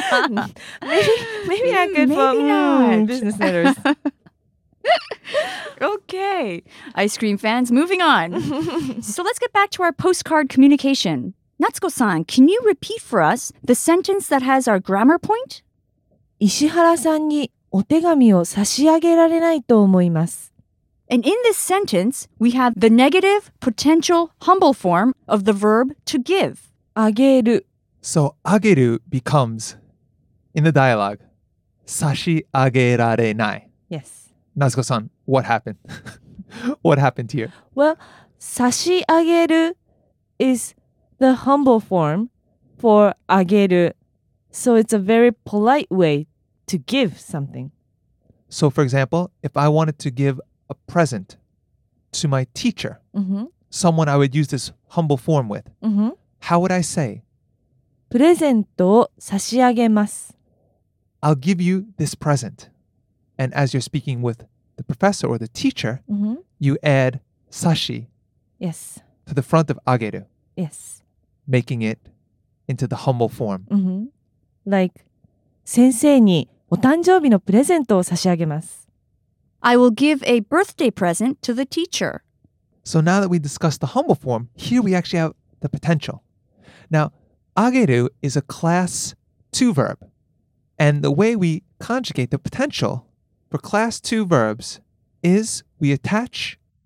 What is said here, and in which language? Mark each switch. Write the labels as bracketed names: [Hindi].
[English] maybe not good for business letters. Okay, ice cream fans, moving on. So let's get back to our postcard communication. Natsuko-san, can you repeat for us the sentence that has our grammar point? [Japanese] 石原さん にお手紙を差し上げられないと思います。 [English] And in this sentence, we have the negative potential humble form of the verb to give. [Japanese] あげる。 [English] So, あげる becomes, in the dialogue, 差し上げられない。 Yes. Natsuko-san, what happened? What happened here? Well, 差し上げる is the humble form for あげる. So, it's a very polite way to give something. So, for example, if I wanted to give a present to my teacher, mm-hmm. someone I would use this humble form with, mm-hmm. how would I say? [Japanese] プレゼントを差し上げます。 [English] I'll give you this present. And as you're speaking with the professor or the teacher, mm-hmm. you add 差し yes. to the front of あげる. Yes. Making it into the humble form. Mm-hmm. [Japanese] Like, 先生にお誕生日のプレゼントを差し上げます。 [English] I will give a birthday present to the teacher. So now that we discussed the humble form, here we actually have the potential. Now, あげる is a class 2 verb. And the way we conjugate the potential for class 2 verbs is we attach